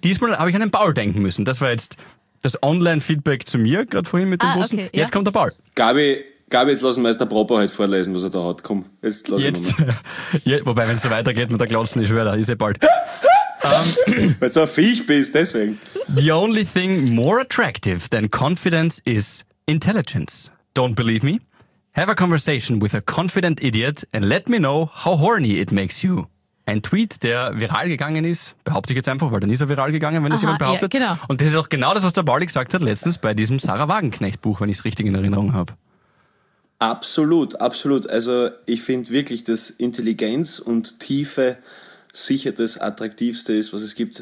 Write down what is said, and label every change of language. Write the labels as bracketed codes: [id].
[de] Diesmal habe ich an den Ball denken müssen. Das war jetzt das Online-Feedback zu mir, gerade vorhin mit dem Putzen. Okay, jetzt ja. Kommt der Ball. Gabi, jetzt lass den Meister Propo heute vorlesen, was er da hat. Komm, jetzt lass jetzt. Ihn mal. Wobei, wenn es so weitergeht mit der Glotzen, ich schwöre, da ist er bald. Weil du ein Viech bist, deswegen. [en] The only thing more attractive than confidence is intelligence. Don't believe me? Have a conversation with a confident idiot and let me know how horny it makes you. [de] Ein Tweet, der viral gegangen ist, behaupte ich jetzt einfach, weil dann ist er viral gegangen, wenn es jemand behauptet. Ja, genau. Und das ist auch genau das, was der Bali gesagt hat letztens bei diesem Sarah Wagenknecht-Buch, wenn ich es richtig in Erinnerung habe. Absolut, absolut. Also ich finde wirklich, dass Intelligenz und Tiefe sicher das Attraktivste ist, was es gibt.